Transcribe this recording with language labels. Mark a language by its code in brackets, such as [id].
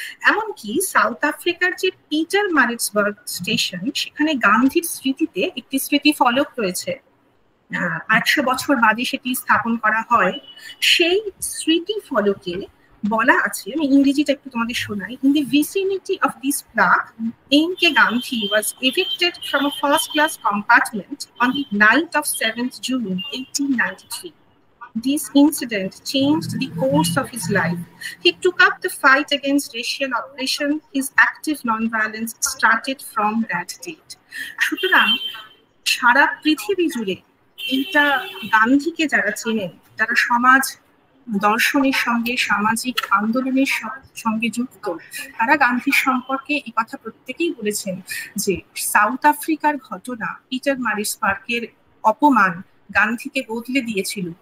[bn] এমনকি সাউথ আফ্রিকার যে পিটার মারিটসবার্গ স্টেশন, সেখানে গান্ধীর স্মৃতিতে একটি স্মৃতি ফলক রয়েছে, 100 বছর বাদে সেটি স্থাপন করা হয়। সেই স্মৃতি ফলকে বলা আছে, আমি ইংরেজিটা একটু তোমাদের শোনাই, [en] In the vicinity of this plaque M K Gandhi was evicted from a first class compartment on the 9th of 7th June 1893। This incident changed the course of his life. He took up the fight against racial oppression. His active non-violence started from that date. [bn] সুতরাং সারা পৃথিবী জুড়ে এইটা গান্ধীকে যারা চেনেন, তারা সমাজ দর্শনের সঙ্গে, সামাজিক আন্দোলনের সঙ্গে যুক্ত, তারা গান্ধীর সম্পর্কে এই কথা প্রত্যেকেই বলেছেন যে সাউথ আফ্রিকার ঘটনা, পিটার মারিটসবার্গের অপমান গান্ধীকে বদলে দিয়েছিল।